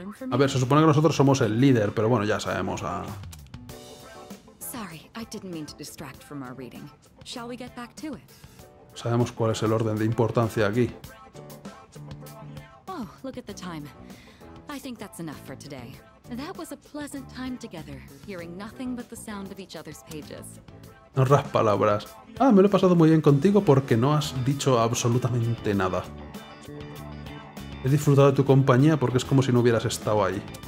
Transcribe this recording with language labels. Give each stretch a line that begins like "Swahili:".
Spanish: A ver, se supone que nosotros somos el líder, pero bueno, ya sabemos a...
English: Sorry, I didn't mean to distract from our reading. Shall we get back to it?
Spanish: Sabemos cuál es el orden de importancia aquí.
English: Oh, look at the time. I think that's enough for today. That was a pleasant time together, hearing nothing but the sound of each other's pages.
Spanish: Otras palabras. Ah, me lo he pasado muy bien contigo porque no has dicho absolutamente nada. He disfrutado de tu compañía porque es como si no hubieras estado ahí.